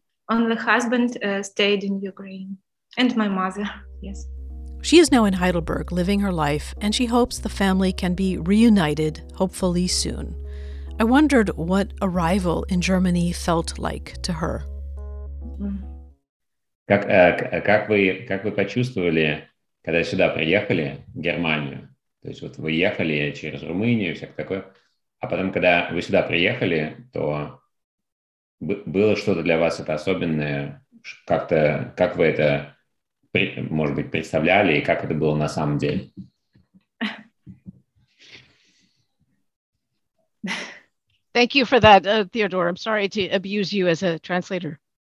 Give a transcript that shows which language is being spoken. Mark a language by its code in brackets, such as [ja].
[en] Only husband stayed in Ukraine, and my mother, yes. She is now in Heidelberg living her life, and she hopes the family can be reunited, hopefully soon. I wondered what arrival in Germany felt like to her. [ru] Как вы почувствовали? Когда сюда приехали, в Германию, то есть вот вы ехали через Румынию и всякое такое, а потом, когда вы сюда приехали, то было что-то для вас это особенное, как-то, как вы это, может быть, представляли и как это было на самом деле? [en] Thank you for that, Theodore. I'm sorry to abuse you as a translator.